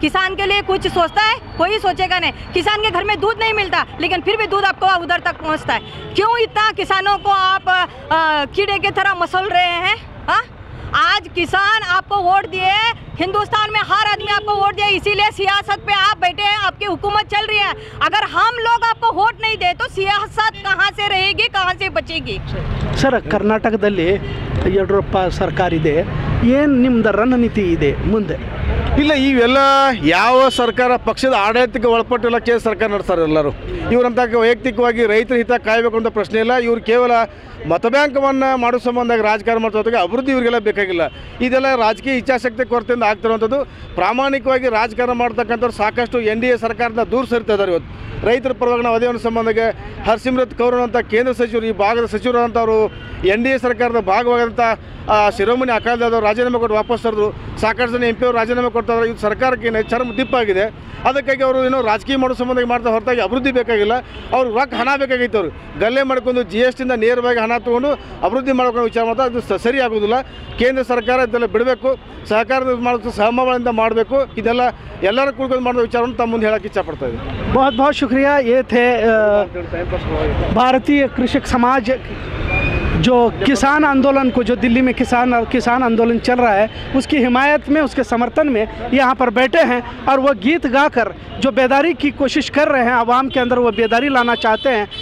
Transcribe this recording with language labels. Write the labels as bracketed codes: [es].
[hi] किसान के लिए कुछ सोचता है? कोई सोचेगा नहीं। किसान के घर में दूध नहीं मिलता, लेकिन फिर भी दूध आपको उधर तक पहुँचता है, क्यों इतना किसानों को आप कीड़े की तरह मसल रहे हैं? आज किसान आपको वोट दिए, हिंदुस्तान में हर आदमी आपको वोट दिया, इसीलिए सियासत पे आप बैठे हैं, आपकी हुकूमत चल रही है। अगर हम लोग आपको वोट नहीं दे तो सियासत कहाँ से रहेगी, कहाँ से बचेगी? सर कर्नाटक दल [kn] ಯಡಿಯೂರಪ್ಪ ಸರ್ಕಾರ ಇದೆ, ಏನು ನಿಮ್ದು ರಣನೀತಿ ಇದೆ ಮುಂದೆ? ಇಲ್ಲ, ಇವೆಲ್ಲ ಯಾವ ಸರ್ಕಾರ ಪಕ್ಷದ ಆಡಳಿತಕ್ಕೆ ಒಳಪಟ್ಟು ಇಲ್ಲ, ಕೇಂದ್ರ ಸರ್ಕಾರ ನಡೆಸ್ತಾರೆ ಎಲ್ಲರೂ. ಇವರಂತ ವೈಯಕ್ತಿಕವಾಗಿ ರೈತರ ಹಿತ ಕಾಯಬೇಕು ಅಂತ ಪ್ರಶ್ನೆ ಇಲ್ಲ. ಇವರು ಕೇವಲ ಮತಬ್ಯಾಂಕವನ್ನು ಮಾಡೋ ಸಂಬಂಧದಾಗ ರಾಜಕಾರಣ ಮಾಡೋದಕ್ಕೆ ಅಭಿವೃದ್ಧಿ ಇವರಿಗೆಲ್ಲ ಬೇಕಾಗಿಲ್ಲ. ಇದೆಲ್ಲ ರಾಜಕೀಯ ಇಚ್ಛಾಶಕ್ತಿ ಕೊರತೆಯಿಂದ ಆಗ್ತಿರುವಂಥದ್ದು. ಪ್ರಾಮಾಣಿಕವಾಗಿ ರಾಜಕಾರಣ ಮಾಡ್ತಕ್ಕಂಥವ್ರು ಸಾಕಷ್ಟು ಎನ್ ಡಿ ಎ ಸರ್ಕಾರದ ದೂರ ಸರಿತಾ ಇದ್ದಾರೆ. ಇವತ್ತು ರೈತರ ಪರವಾಗಿನ ವಧೆಯನ್ನು ಸಂಬಂಧಕ್ಕೆ ಹರ್ಸಿಮ್ರತ್ ಕೌರ್ ಅಂಥ ಕೇಂದ್ರ ಸಚಿವರು, ಈ ಭಾಗದ ಸಚಿವರಾದಂಥವ್ರು, ಎನ್ ಡಿ ಎ ಸರ್ಕಾರದ ಭಾಗವಾದಂಥ ಶಿರೋಮಣಿ ಅಕಾಲಿದಳದವರು ರಾಜೀನಾಮೆ ಕೊಟ್ಟು ವಾಪಸ್ ತರೋದು, ಸಾಕಷ್ಟು ಜನ ಎಂ ಪಿ ಅವರು ರಾಜೀನಾಮೆ ಕೊಡ್ತಾರೆ, ಇದು ಸರ್ಕಾರಕ್ಕೇನೆ ಚರ್ಮ ದಿಪ್ಪಾಗಿದೆ. ಅದಕ್ಕಾಗಿ ಅವರು ಏನೋ ರಾಜಕೀಯ ಮಾಡೋ ಸಂಬಂಧಕ್ಕೆ ಮಾಡ್ತಾ ಹೊರತಾಗಿ ಅಭಿವೃದ್ಧಿ ಬೇಕಾಗಿಲ್ಲ. ಅವ್ರು ರೊಕ್ಕ ಹಣ ಬೇಕಾಗಿತ್ತು, ಅವ್ರು ಗಲ್ಲೆ ಮಾಡ್ಕೊಂಡು ಜಿ ಎಸ್ ಟಿಯಿಂದ ನೇರವಾಗಿ ಹಣ ತೊಗೊಂಡು ಅಭಿವೃದ್ಧಿ ಮಾಡ್ಕೊಂಡು ವಿಚಾರ ಮಾಡ್ತಾ, ಅದು ಸರಿ ಆಗೋದಿಲ್ಲ. ಕೇಂದ್ರ ಸರ್ಕಾರ ಇದೆಲ್ಲ ಬಿಡಬೇಕು, ಸಹಕಾರ ಮಾಡೋದು ಸಹಮಾಭಾವದಿಂದ ಮಾಡಬೇಕು. ಇದೆಲ್ಲ ಎಲ್ಲರೂ ಕುಳ್ಕೊಂಡು ಮಾಡೋ ವಿಚಾರವನ್ನು ತಮ್ಮ ಮುಂದೆ ಹೇಳೋಕೆ ಇಚ್ಛಪಡ್ತಾ ಇದೆ. [hi] ಬಹುತ್ ಬಹುತ್ ಶುಕ್ರಿಯಾ. ಏತೆ ಭಾರತೀಯ ಕೃಷಕ ಸಮಾಜ जो किसान आंदोलन को, जो दिल्ली में किसान आंदोलन चल रहा है, उसकी हिमायत में, उसके समर्थन में यहाँ पर बैठे हैं और वो गीत गाकर जो बेदारी की कोशिश कर रहे हैं, आवाम के अंदर वो बेदारी लाना चाहते हैं.